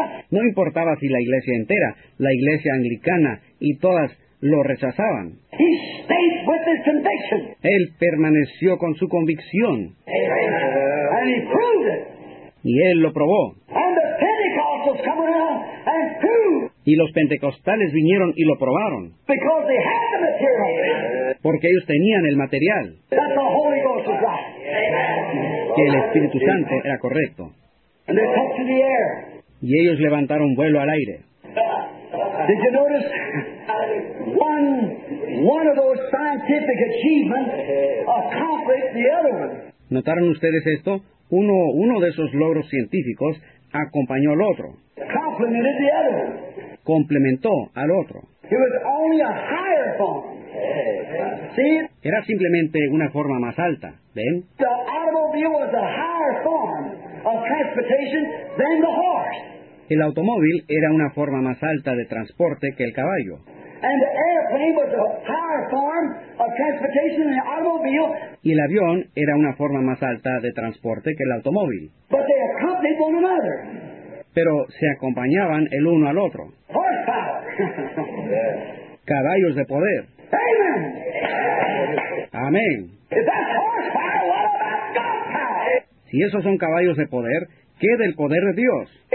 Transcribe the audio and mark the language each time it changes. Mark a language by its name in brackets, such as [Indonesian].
[Spanish] No importaba si la iglesia entera, la iglesia anglicana y todas lo rechazaban. [English] He stayed with his conviction. [Spanish] Él permaneció con su convicción. [English] And he proved it. [Spanish] Y él lo probó. [English] And the Pentecostals coming out and proved. [Spanish] Y los pentecostales vinieron y lo probaron. [English] Because they had the material. [Spanish] Porque ellos tenían el material. [English] That the Holy Ghost was right. [Spanish] Que el Espíritu Santo era correcto. [English] And they took to the air. [Spanish] Y ellos levantaron vuelo al aire. [English] Did you notice one of those scientific achievements accomplished the other one? [Spanish] ¿Notaron ustedes esto? Uno de esos logros científicos acompañó al otro. [English] Complemented the other. [Spanish] Complementó al otro. [English] It was only a higher form. See? [Spanish] Era simplemente una forma más alta, ¿ven? [English] The automobile was a higher form of transportation than the horse. [Spanish] El automóvil era una forma más alta de transporte que el caballo. [English] And the airplane was a higher form of transportation than the automobile. [Spanish] Y el avión era una forma más alta de transporte que el automóvil. [English] But they accompanied one another. [Spanish] Pero se acompañaban el uno al otro. [English] Horsepower. [Spanish] Caballos de poder. [English] Amen. [Spanish] Amén. [English] If that's horsepower, what about God's power? [Spanish] Si esos son caballos de poder, ¿qué del poder de Dios?